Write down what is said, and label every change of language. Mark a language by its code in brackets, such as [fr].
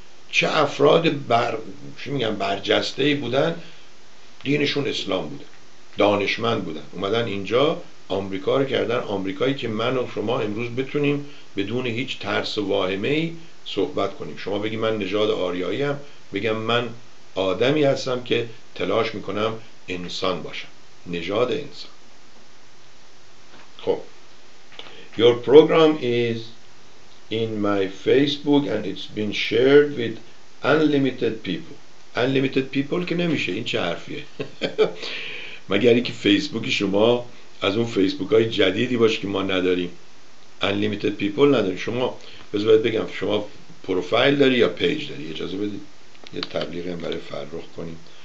[fa] چه افراد برجسته‌ای بودن، دینشون اسلام بوده، دانشمند بودن، اومدن اینجا آمریکا رو کردن آمریکایی که من و شما امروز بتونیم بدون هیچ ترس و واهمه‌ای صحبت کنیم. شما بگی من نژاد آریایی هم، بگم من آدمی هستم که تلاش میکنم انسان باشم، نژاد انسان. [en] خب Your program is in my Facebook and it's been shared with unlimited people. [fa] Unlimited people که نمیشه، این چه حرفیه؟ مگر اینکه فیسبوک شما از اون فیسبوک های جدیدی باشه که ما نداریم. Unlimited people نداریم. شما بذار بگم، شما پروفایل داری یا پیج داری؟ اجازه بدید یه تبلیغی هم برای فرخ کنیم.